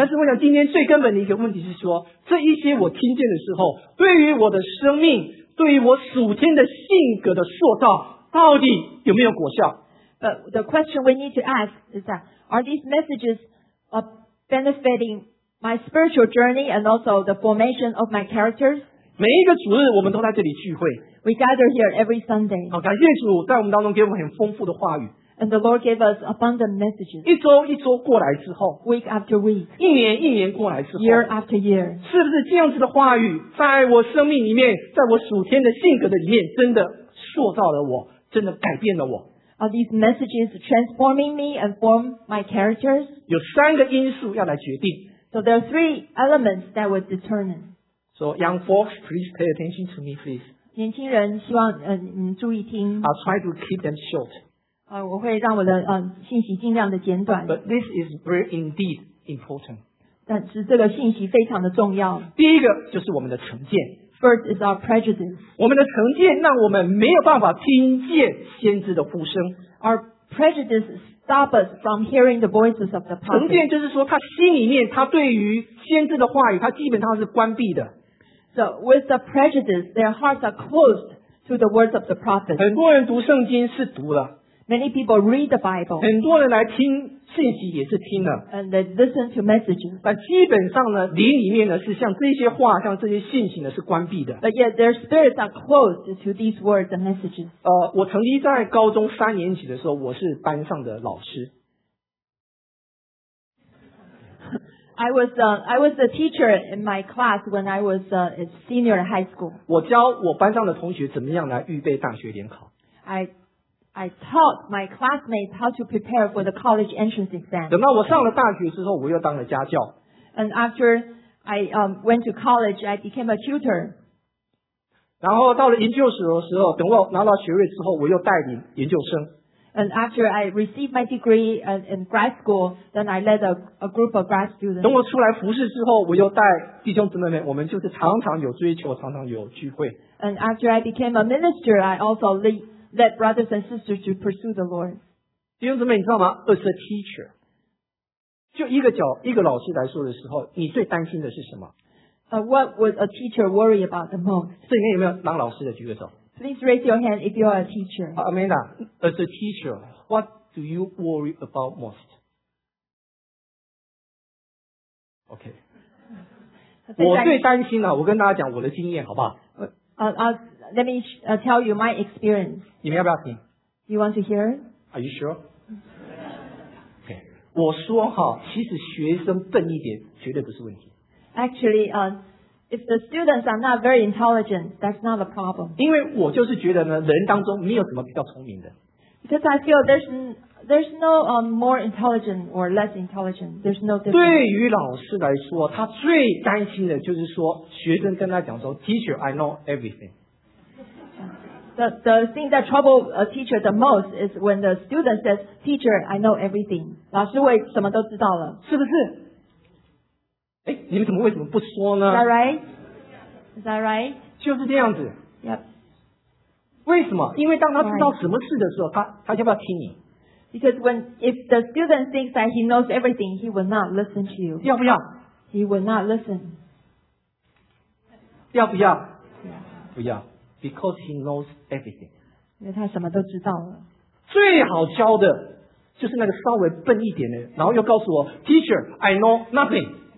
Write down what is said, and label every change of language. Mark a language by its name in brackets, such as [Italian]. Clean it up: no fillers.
[Chinese] 但是我想今天最根本的一个问题是说，这一些我听见的时候，对于我的生命，对于我属天的性格的塑造，到底有没有果效？ [English] But the question we need to ask is that, are these messages benefiting my spiritual journey and also the formation of my characters? [Chinese] 每一个主日我们都在这里聚会。 [English] We gather here every Sunday. [Chinese] 好，感谢主在我们当中给我们很丰富的话语。 [English] And the Lord gave us abundant messages. [Chinese] 一周一周过来之后 [English] week after week, [Chinese] 一年一年过来之后 [English] year after year, [Chinese] 是不是这样子的话语在我生命里面在我属天的性格的里面真的塑造了我真的改变了我 [English] Are these messages transforming me and form my characters? [Chinese] 有三个因素要来决定 [English] So there are three elements that will determine. So young folks, please pay attention to me, please. [Chinese] 年轻人希望你注意听 [English] I'll try to keep them short. [Chinese] 我会让我的信息尽量的简短。 [English] But this is very indeed important. [Chinese] 但是这个信息非常的重要。第一个就是我们的成见。 [English] First is our prejudice. [Chinese] 我们的成见让我们没有办法听见先知的呼声。 [English] Our prejudice stops us from hearing the voices of the prophet. [Chinese] 成见就是说他心里面他对于先知的话语他基本上是关闭的。 [English] So with the prejudice, their hearts are closed to the words of the prophet. [Chinese] 很多人读圣经是读了。 [English] Many people read the Bible. [Chinese] 很多人来听信息也是听了。 [English] And they listen to messages. [Chinese] 但基本上呢，灵里面呢是像这些话，像这些信息呢是关闭的。 [English] But yet their spirits are closed to these words and messages. [Chinese] 我曾经在高中三年级的时候，我是班上的老师。 [English] I was a teacher in my class when I was a senior in high school. [Chinese] 我教我班上的同学怎么样来预备大学联考。 [English] I taught my classmates how to prepare for the college entrance exam. [Chinese] 等到我上了大学之后，我又当了家教。 [English] And after I went to college, I became a tutor. [Chinese] 然后到了研究所的时候，等我拿到学位之后，我又带领研究生。 [English] And after I received my degree in grad school, then I led a group of grad students. [Chinese] 等我出来服事之后，我又带弟兄姊妹们，我们就是常常有追求，常常有聚会。 [English] And after I became a minister, I also led brothers and sisters to pursue the Lord. [Chinese] 弟兄姊妹，你知道吗 ？ [English] As a teacher, [Chinese] 就一个角一个老师来说的时候，你最担心的是什么 [English] ？What would a teacher worry about the most? [Chinese] 这里面有没有当老师的举个手？ [English] Please raise your hand if you are a teacher. Amanda, as a teacher, what do you worry about most? Okay. [Chinese] 我最担心了，我跟大家讲我的经验，好不好？ [English] Let me tell you my experience. [Chinese] 你们要不要听 [English] ？You want to hear? Are you sure? Okay. [Chinese] 我说哈，其实学生笨一点绝对不是问题。 [English] Actually, If the students are not very intelligent, that's not a problem. [Chinese] 因为我就是觉得呢，人当中没有什么比较聪明的。 [English] Because I feel there's no more intelligent or less intelligent. There's no difference. [Chinese] 对于老师来说，他最担心的就是说，学生跟他讲说 ， [English] Teacher, I know everything. The thing that trouble a teacher the most is when the student says, "Teacher, I know everything." [Chinese] 老师我什么都知道了，是不是？哎，你们怎么为什么不说呢 [English] ？Is that right? Is that right? [Chinese] 就是这样子。 [English] Yep. [Chinese] 为什么？因为当他知道什么事的时候，他要不要听你 [English] ？Because when if the student thinks that he knows everything, he will not listen to you. [Chinese] 要不要 [English] ？He will not listen. [Chinese] 要不要？ [English] Yeah. [Chinese] 不要。 [English] Because he knows everything. [Chinese] 因为他什么都知道了。最好教的，就是那个稍微笨一点的，然后又告诉我 ， [English] Teacher, I know nothing.